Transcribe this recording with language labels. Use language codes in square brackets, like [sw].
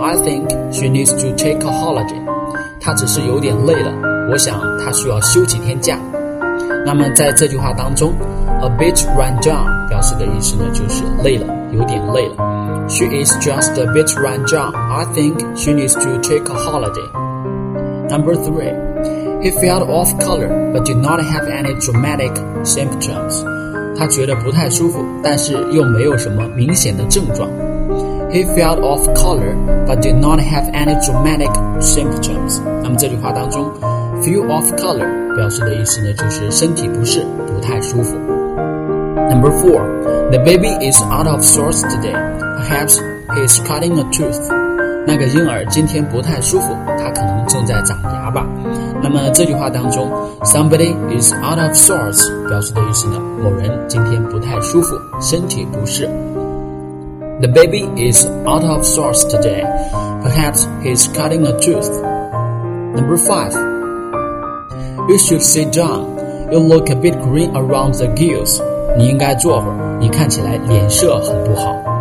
[en] I think she needs to take a holiday. [zh] 她只是有点累了，我想他需要休几天假。那么在这句话当中 A bit run down 表示的意思呢，就是累了，有点累了。 [en] She is just a bit run down. I think she needs to take a holiday. Number three, He felt off color but did not have any dramatic symptoms. [zh] 他觉得不太舒服，但是又没有什么明显的症状。 [en] He felt off color but did not have any dramatic symptoms. [zh] 那么这句话当中Feel off color 表示的意思呢，就是身体不适，不太舒服。 [en] Number four, The baby is out of sorts today. Perhaps he is cutting a tooth. [zh] 那个婴儿今天不太舒服，他可能正在长牙吧。那么这句话当中 Somebody is out of sorts 表示的意思呢，某人今天不太舒服，身体不适。 [en] The baby is out of sorts today. Perhaps he is cutting a tooth. Number five,You should sit down. You look a bit green around the gills. [zh] 你应该坐会儿，你看起来脸色很不好。